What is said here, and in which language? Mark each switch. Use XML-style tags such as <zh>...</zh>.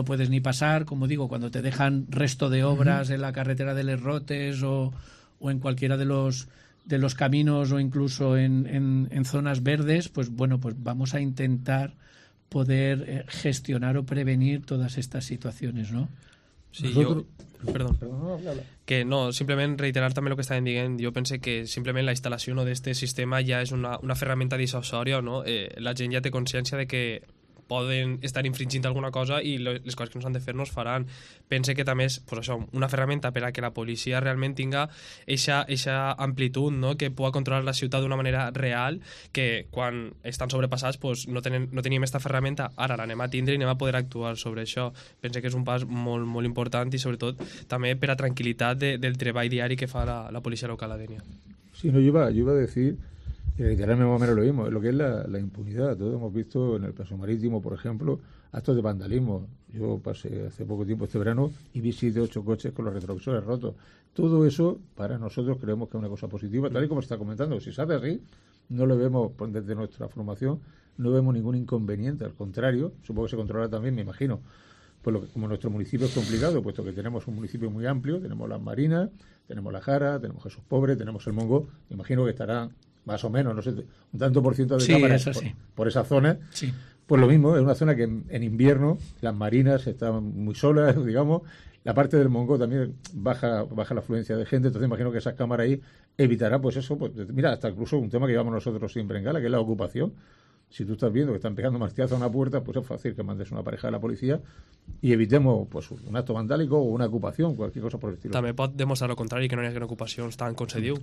<es>ni pasar, como digo, cuando te dejan resto de obras en la carretera de Les Rotes o en cualquiera de los caminos o incluso en zonas verdes, pues bueno, pues vamos a intentar poder gestionar o prevenir todas estas situaciones, ¿no? Sí, yo, perdón, que no,</es> <ca>simplement reiterar també el que estàvem dient. Jo pense que simplement la instal·lació, no, d'aquest sistema ja és una ferramenta dissuasòria, no? La gent ja té consciència de que poden estar infringint alguna cosa i les coses que no s'han de fer no es faran. Pense que també és pues això, una ferramenta per a que la policia realment tinga eixa amplitud, no? Que pugui controlar la ciutat d'una manera real, que quan estan sobrepassats pues no teníem aquesta ferramenta, ara l'anem a tindre i anem a poder actuar sobre això. Pense que és un pas molt, molt important i sobretot també per a tranquil·litat del treball diari que fa la policia local a Dénia.</ca> <es>Sí, no, yo iba a decir, que ahora mismo menos lo mismo, lo que es la impunidad. Todos hemos visto en el paso marítimo, por ejemplo, actos de vandalismo. Yo pasé hace poco tiempo este verano y vi 7 u 8 coches con los retrovisores rotos. Todo eso, para nosotros, creemos que es una cosa positiva, tal y como se está comentando. Si se hace así, no lo vemos desde nuestra formación, no vemos ningún inconveniente. Al contrario, supongo que se controla también, me imagino. Pues como nuestro municipio es complicado, puesto que tenemos un municipio muy amplio, tenemos las Marinas, tenemos la Jara, tenemos Jesús Pobre, tenemos el Mongo, imagino que estarán más o menos, no sé, un tanto por ciento de sí, cámaras sí. por esa zona. Sí. Pues lo mismo, es una zona que en invierno las Marinas están muy solas, digamos, la parte del Mongo también baja la afluencia de gente, entonces imagino que esas cámaras ahí evitará pues eso, pues mira, hasta incluso un tema que llevamos nosotros siempre en gala, que es la ocupación. Si tú estás viendo que están pegando martillazo a una puerta, pues es fácil que mandes una pareja de la policía y evitemos pues un acto vandálico o una ocupación, cualquier cosa por el estilo.</es> <ca>També pot demostrar lo contrari, que no hi hagi una ocupació tan concediu.</ca>